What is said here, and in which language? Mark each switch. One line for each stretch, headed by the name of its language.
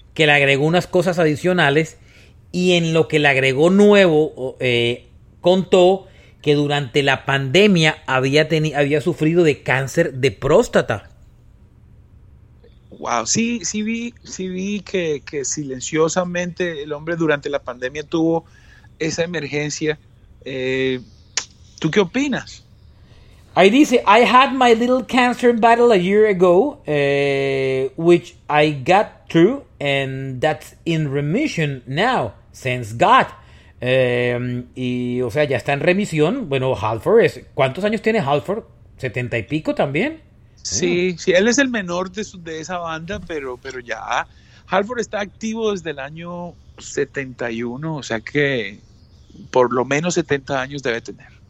Spanish: que le agregó unas cosas adicionales, y en lo que le agregó nuevo, contó que durante la pandemia había sufrido de cáncer de próstata. Wow, sí vi que silenciosamente el hombre durante la pandemia tuvo esa emergencia. ¿Tú qué opinas? Ahí dice,
English: I had my little cancer battle a year ago, which I got through, and that's in remission now, thanks God.
Spanish: O sea, ya está en remisión. Bueno, Halford es. ¿Cuántos años tiene Halford? 70 y pico también. Sí, él es el menor de esa banda, pero ya Halford está activo desde el año 71, o sea que por lo menos 70 años debe tener.